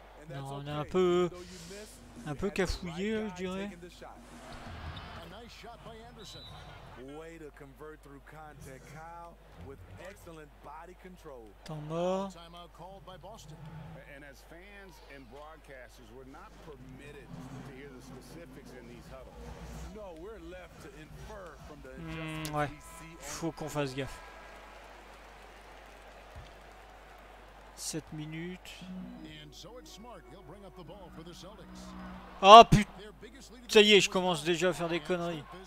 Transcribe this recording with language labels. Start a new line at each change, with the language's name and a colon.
French: Non, on est un peu cafouillé, je dirais.
English: A nice shot by Anderson. Way to convert through contact, Kyle, with excellent body control.
French: Temps mort.
English: Timeout called by Boston. And as fans and broadcasters, we're not permitted to hear the specifics in these huddles. No, we're left to infer from the
French: ouais. Faut qu'on fasse gaffe.
English: 7 minutes. And so it's Smart. He'll bring up the ball for the Celtics.
French: Oh putain, ça y est, je commence déjà à faire des conneries.